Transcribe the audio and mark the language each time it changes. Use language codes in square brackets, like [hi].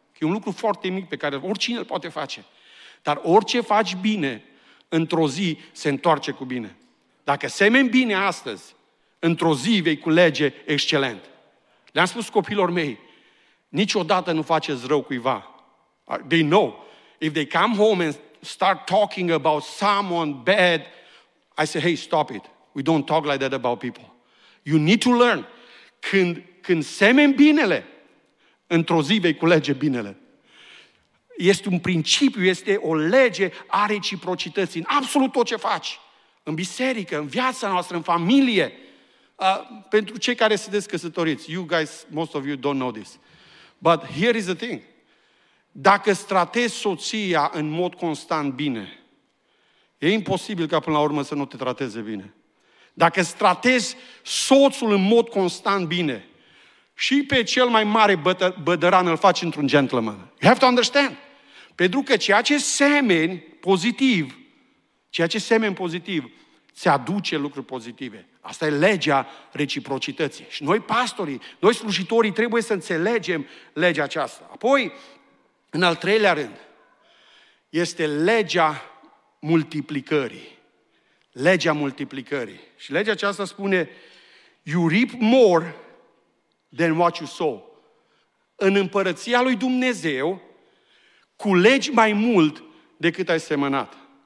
[ro] E un lucru foarte mic pe care oricine îl poate face. Dar orice faci bine, într-o zi se întoarce cu bine. Dacă semeni bine astăzi, într-o zi vei culege excelent. Le-am spus copilor mei, niciodată nu faceți rău cuiva. [en] They know. If they come home and start talking about someone bad, I say, hey, stop it. We don't talk like that about people. You need to learn. [ro] Când semeni binele, într-o zi vei culege binele. Este un principiu, este o lege a reciprocității în absolut tot ce faci. În biserică, în viața noastră, în familie. Pentru cei care sunteți căsătoriți, [en] you guys, most of you don't know this. But here is the thing. [ro] Dacă tratezi soția în mod constant bine, e imposibil ca până la urmă să nu te trateze bine. Dacă tratezi soțul în mod constant bine, și pe cel mai mare bădăran îl faci într-un gentleman. [en] You have to understand. [ro] Pentru că ceea ce semeni pozitiv, se aduce lucruri pozitive. Asta e legea reciprocității. Și noi pastorii, noi slujitorii, trebuie să înțelegem legea aceasta. Apoi, în al treilea rând, este legea multiplicării. Legea multiplicării. Și legea aceasta spune, [en] you reap more than what you sow. [ro] În împărăția lui Dumnezeu, culegi mai mult decât ai semănat.